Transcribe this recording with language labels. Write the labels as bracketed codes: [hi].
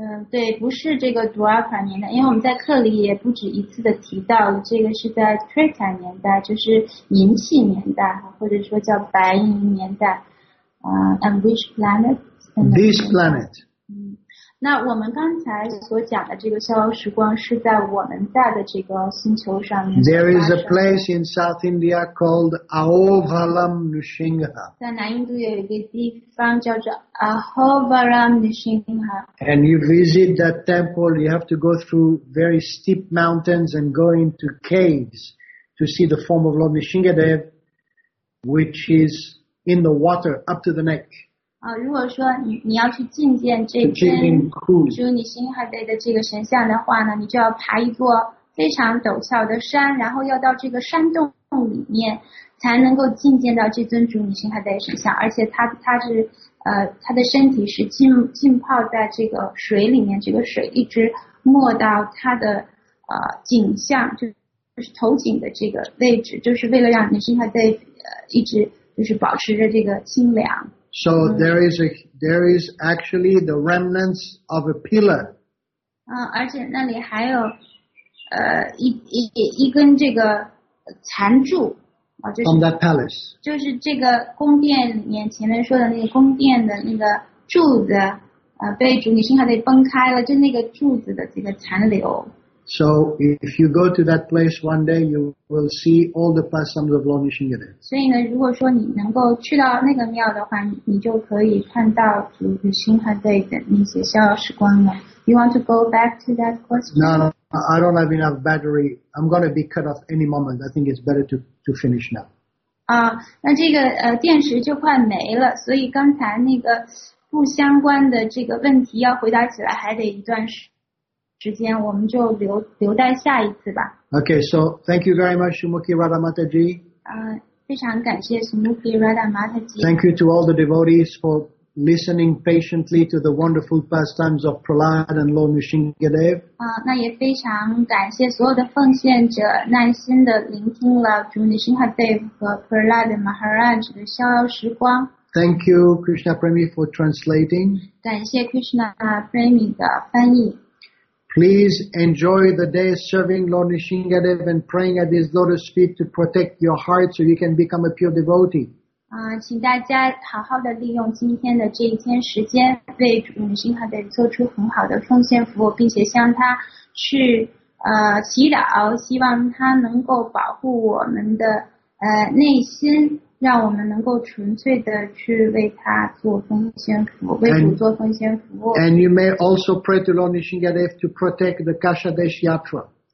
[zh] 对，不是这个 Dwapara 年代，因为我们在课里也不止一次的提到了，这个是在 Treta 年代，就是银器年代，或者说叫白银年代。 [en] And which planet? This planet. [zh] 那我们刚才所讲的这个逍遥时光是在我们在的这个星球上面。 [en] There is a place in South India called Ahovaram Nrsimha. [zh] 在南印度有一个地方叫做 Ahovaram Nrsimha. [en] And you visit that temple, you have to go through very steep mountains and go into caves to see the form of Lord Nrsimhadev, which is in the water up to the neck. [zh] 如果说 你要去觐见这尊朱尼辛哈德的这个神像的话呢，你就要爬一座非常陡峭的山，然后要到这个山洞里面才能够觐见到这尊朱尼辛哈德神像，而且他的身体是浸泡在这个水里面，这个水一直没到他的颈项，就是头颈的这个位置，就是为了让尼辛哈德一直就是保持着这个清凉。 [en] So there is actually the remnants of a pillar. [zh] 而且那里还有一根这个残柱。 [en] From that palace. [zh] 就是这个宫殿里面前面说的那个宫殿的那个柱子被主女性还得崩开了，就那个柱子的这个残留。 [en] So if you go to that place one day, you will see all the pastimes of Lord Nrsimhadev. [zh] 所以呢，如果说你能够去到那个庙的话，你就可以看到主女星汉队的那些逍遥时光了。 [en] You want to go back to that question? No, I don't have enough battery. I'm going to be cut off any moment. I think it's better to finish now. [zh] 那这个电池就快没了，所以刚才那个不相关的这个问题要回答起来还得一段时间，我们就留待下一次吧。 [en] Okay, so thank you very much, Sumukhi Radha Mataji. [zh] 非常感谢 Sumukhi Radha Mataji. [en] Thank you to all the devotees for listening patiently to the wonderful pastimes of Prahlad and Lord Nrsimhadev. [zh] 那也非常感谢所有的奉献者耐心的聆听了主 Nrsimhadev 和 Prahlad Maharaj 的逍遥时光。 [en] Thank you, Krishna Premi, for translating. [zh] 感谢 Krishna Premi 的翻译。 [en] Please enjoy the day serving Lord Nrsimhadev and praying at his lotus feet to protect your heart so you can become a pure devotee. [zh] 请大家好好的利用今天的这一天时间为主 Nrsimhadev 做出很好的奉献服务，并且向他去祈祷，希望他能够保护我们的内心，让我们能够纯粹的去为他做奉献服务，为主做奉献服务。 [en] And you may also pray to Lord Nrsimhadev to protect the Kashadesh Yatra.